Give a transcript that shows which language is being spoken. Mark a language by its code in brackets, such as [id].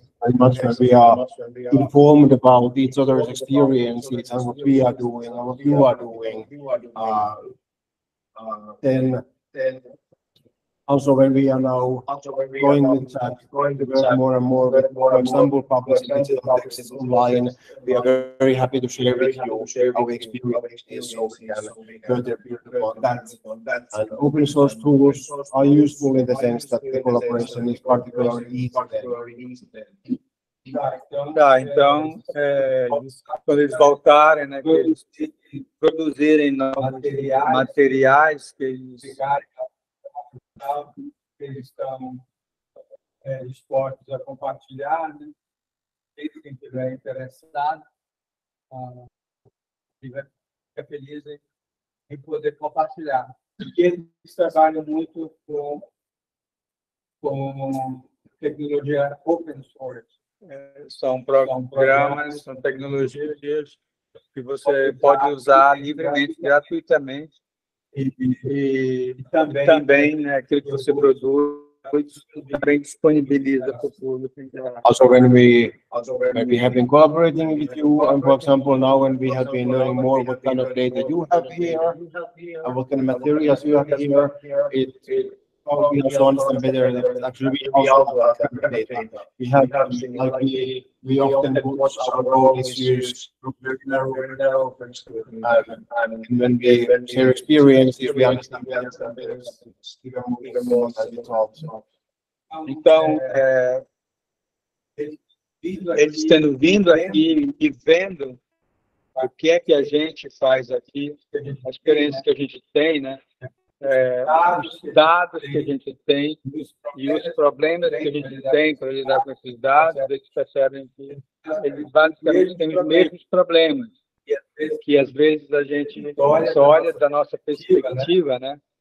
[en] As much as we are informed about each other's experiences and what we are doing, and what you are doing, then also, when we are now going with that, more and more with, for example, publishing digital publishing online, we are very happy to share with you our experience, so we can further build upon that. And open source tools are useful in the sense that the collaboration is particularly easy then. [pt] Tá, então, quando eles voltarem, né, que eles produzirem novos materiais que eles ficarem. Eles estão dispostos a compartilhar, né? Quem estiver interessado, fica feliz em poder compartilhar. Porque eles trabalham muito com tecnologia open source. São programas, são tecnologias que você pode usar livremente, gratuitamente. [en] Also, when we maybe have been cooperating with you, and for example, now when we have been knowing more what kind of data you have here and what kind of materials you have here, it also understand better that actually we also have data. We have, like, we often watch our own issues and when we share experiences, we understand better, even more than we talk. [pt] Então, eles tendo vindo aqui e vendo o que é que a gente faz aqui, a experiência que a gente tem, né? Os dados que a gente tem e os problemas que a gente tem para lidar com esses dados, eles percebem que eles basicamente têm os mesmos problemas, que às vezes a gente só olha da nossa perspectiva, né?